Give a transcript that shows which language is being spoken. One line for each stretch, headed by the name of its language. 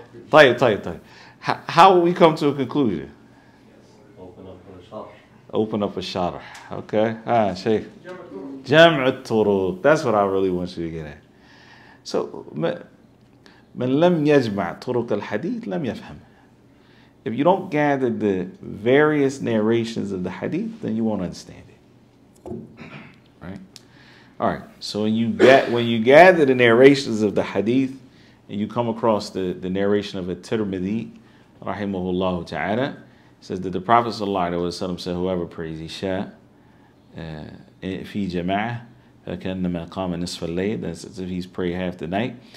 English: Tayyip. How will we come to a conclusion? Open up a sharh. Open up a sharh. Okay. Ah, Shaykh. Jam'at turuq. That's what I really want you to get at. So,
Arabic: من لم يجمع طرق الحديث لم يفهم.
English: If you don't gather the various narrations of the hadith, then you won't understand it. Right? All right. So when you gather the narrations of the hadith, and you come across the narration of a Tirmidhi, rahimahullah ta'ala, says that the Prophet sallallahu alaihi wasallam said, whoever prays Isha fi jama'ah,
Arabic: فَكَنَّمَا قَامَ نِصْفَ اللَّيْلِ,
English: that's as if he's prayed half the night.